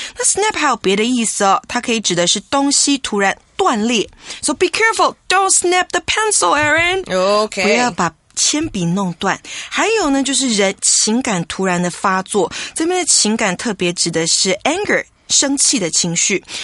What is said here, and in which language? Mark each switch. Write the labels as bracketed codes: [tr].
[zh] 那 snap 还有别的意思哦，它可以指的是东西突然断裂。 [en] So be careful, don't snap the pencil, Aaron. Okay. [zh] 不要把铅笔弄断。还有呢，就是人情感突然的发作，这边的情感特别指的是 anger 生气的情绪。